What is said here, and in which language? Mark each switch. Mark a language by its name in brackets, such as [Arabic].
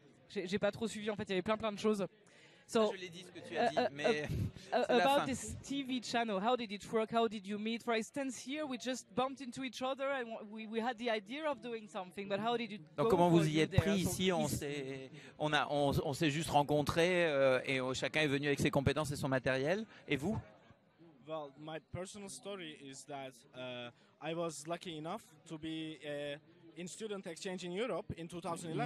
[French] J'ai pas trop suivi, en fait, il y avait plein de choses. So, je l'ai dit ce que tu as dit, mais [English] about this TV channel, how did it work? How did you meet? For instance, here we just bumped into each other and we had the idea of doing something, but how did you? [French] Donc comment vous y êtes pris ici? On s'est juste rencontrés et chacun est venu avec ses compétences et son matériel. Et vous? [English] Well, my personal story is that I was lucky enough to be in student exchange in Europe in 2011.